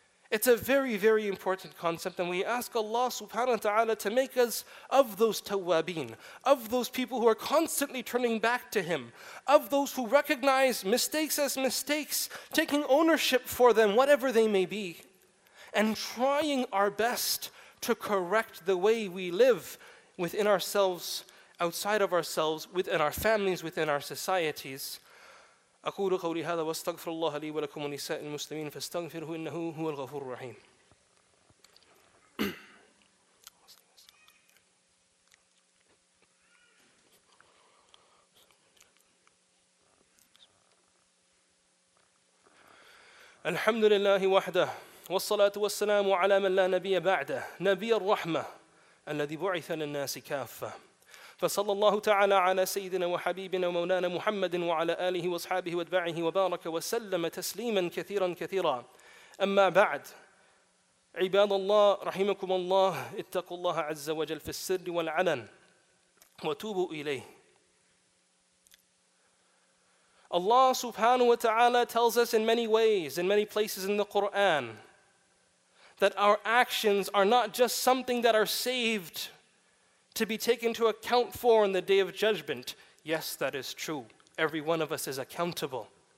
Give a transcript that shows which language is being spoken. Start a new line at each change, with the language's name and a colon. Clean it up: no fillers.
English: It's a very, very important concept, and we ask Allah subhanahu wa ta'ala to make us of those tawwabin, of those people who are constantly turning back to Him, of those who recognize mistakes as mistakes, taking ownership for them, whatever they may be, and trying our best to correct the way we live within ourselves, outside of ourselves, within our families, within our societies.
Arabic: أقول قولي هذا واستغفر الله لي ولكم ونساء المسلمين فاستغفره إنه هو الغفور الرحيم. الحمد لله وحده والصلاة والسلام على من لا نبي بعده نبي الرحمة الذي بعث للناس كافة. فصلى الله تعالى على سيدنا وحبيبنا ومولانا محمد وعلى آله وصحبه واتباعه وبارك وسلم تسليما كثيرا كثيرا. أما بعد، عباد الله رحمكم الله، اتقوا الله عز وجل في السر والعلن وتوبوا إليه.
English: Allah subhanahu wa ta'ala tells us in many ways, in many places in the Quran, that our actions are not just something that are saved to be taken to account for on the day of judgment. Yes, that is true. Every one of us is accountable.